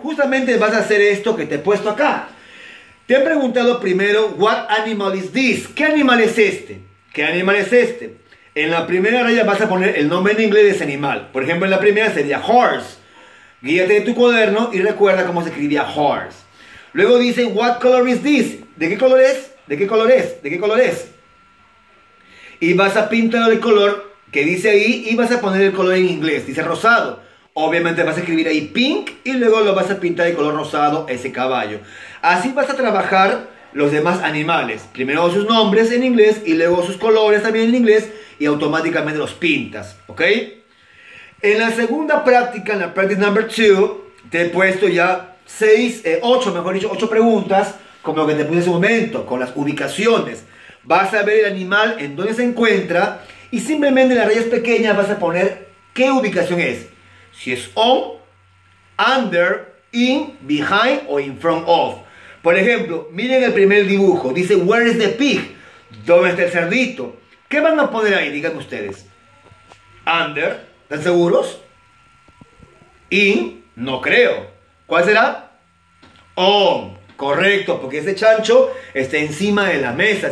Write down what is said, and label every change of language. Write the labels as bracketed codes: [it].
[es] Justamente vas a hacer esto que te he puesto acá. Te he preguntado primero, [en] what animal is this? [es] ¿Qué animal es este? ¿Qué animal es este? En la primera raya vas a poner el nombre en inglés de ese animal. Por ejemplo, en la primera sería horse. Guíate de tu cuaderno y recuerda cómo se escribía horse. Luego dice, [en] what color is this? [es] ¿De qué color es? ¿De qué color es? ¿De qué color es? Y vas a pintar el color que dice ahí, y vas a poner el color en inglés, dice rosado. Obviamente vas a escribir ahí pink y luego lo vas a pintar de color rosado ese caballo. Así vas a trabajar los demás animales. Primero sus nombres en inglés y luego sus colores también en inglés y automáticamente los pintas, ¿ok? En la segunda práctica, en la [en] practice number 2, [es] te he puesto ya 8 preguntas, como lo que te puse hace un momento, con las ubicaciones. Vas a ver el animal en donde se encuentra y simplemente en las rayas pequeñas vas a poner qué ubicación es. Si es on, under, in, behind o in front of. Por ejemplo, miren el primer dibujo. Dice, [en] where is the pig? [es] ¿Dónde está el cerdito? ¿Qué van a poner ahí? Díganme ustedes. Under, ¿están seguros? In, no creo. ¿Cuál será? On, correcto, porque ese chancho está encima de la mesa.